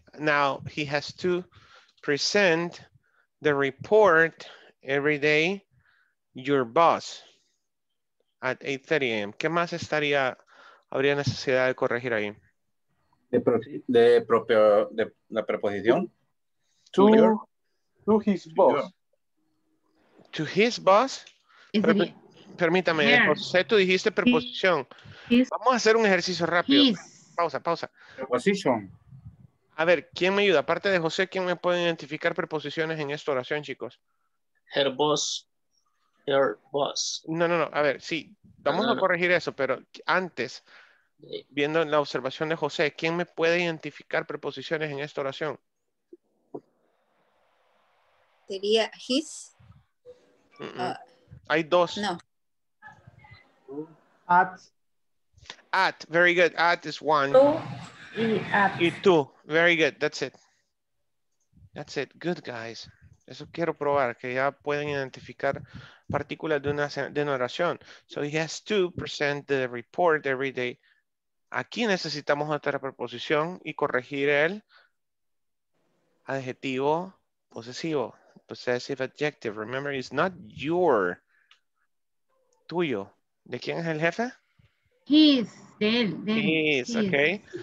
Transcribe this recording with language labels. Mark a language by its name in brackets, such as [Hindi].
[English] Now he has to present the report every day your boss at 8:30 a.m. [Spanish] ¿Qué más estaría, habría necesidad de corregir ahí? De la preposición. [English] To his boss. To his boss. [Spanish] Permítame, yeah. José, tú dijiste preposición. Vamos a hacer un ejercicio rápido. Pausa. Preposición. A ver, ¿quién me ayuda? Aparte de José, ¿quién me puede identificar preposiciones en esta oración, chicos? [English] Her boss. Her boss. [Spanish] No. A ver, sí. Vamos a corregir eso, pero antes, viendo la observación de José, ¿quién me puede identificar preposiciones en esta oración? Sería his. Hay dos. No. [English] At, very good. At is one. Two. Y two. Very good. That's it. That's it. Good, guys. [Spanish] Eso quiero probar, que ya pueden identificar partículas de una oración. [English] So he has to present the report every day. [Spanish] Aquí necesitamos otra preposición y corregir el adjetivo posesivo. [English] Possessive adjective. Remember, it's not your. [Spanish] Tuyo. ¿De quién es el jefe? [English] His. His. Ok.